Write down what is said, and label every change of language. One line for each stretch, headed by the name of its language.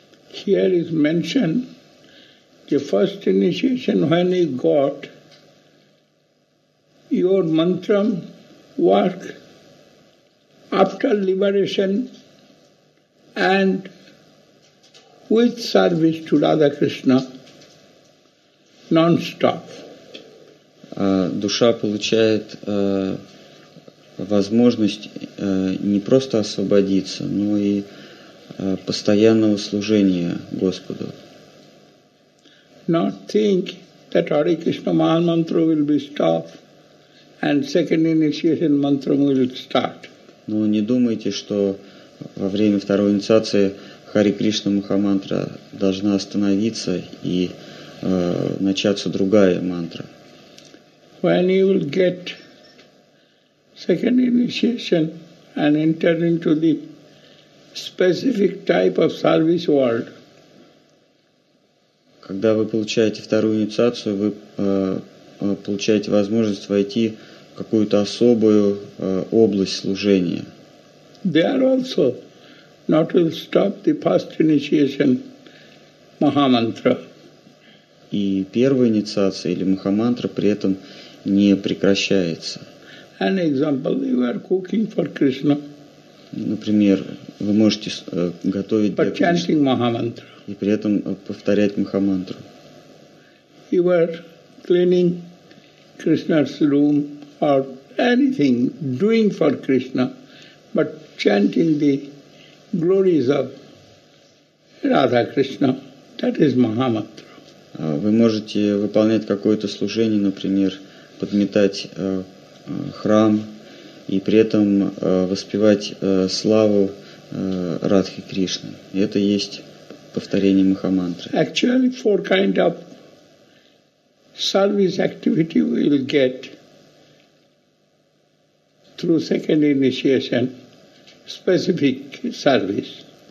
English: Here is mentioned the first initiation when you got your mantra work after liberation and with service to Radha Krishna non-stop.
Russian: Душа получает возможность не просто освободиться, но и постоянного служения Господу.
English: Not think that Hare Krishna Mahamantra will be stopped And second initiation mantra will start.
Russian: Но не думайте, что во время второй инициации Хари Кришна Махамантра должна остановиться и начаться другая мантра.
English: When you will get second initiation and enter into the specific type of service world.
Russian: Когда вы получаете вторую инициацию, вы получаете возможность войти в какую-то особую область служения.
English: There also not will stop the first initiation Mahamantra.
Russian: И первая инициация или Махамантра при этом не прекращается.
English: An example, you are cooking for Krishna.
Russian: Например, вы можете готовить для Кришны.
English: But chanting Mahamantra.
Russian: И при этом повторять Махамантру.
English: You are cleaning Krishna's room or anything, doing for Krishna, but chanting the glories of Radha Krishna. That is Mahamantra.
Russian: Вы можете выполнять какое-то служение, например, подметать храм и при этом воспевать славу Радхи Кришны. Это есть повторение Махамантры.
English: Actually, four kind of service activity we will get through second initiation, specific service.